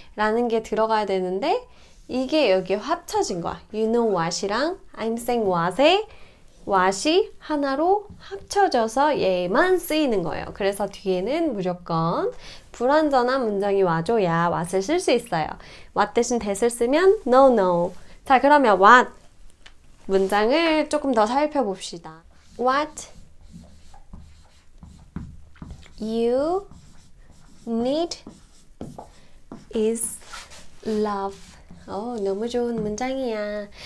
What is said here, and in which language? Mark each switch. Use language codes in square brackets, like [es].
[ko] 라는 게 들어가야 되는데 이게 여기에 합쳐진 거야. [en] You know what [ko] 이랑 [en] I'm saying what [ko] 에 what이 하나로 합쳐져서 얘만 쓰이는 거예요. 그래서 뒤에는 무조건 불완전한 문장이 와줘야 what을 쓸수 있어요. what 대신 that을 쓰면 [en] no, no. [ko] 자, 그러면 what 문장을 조금 더 살펴봅시다. [en] What you need is love. [ko] 오, 너무 좋은 문장이야.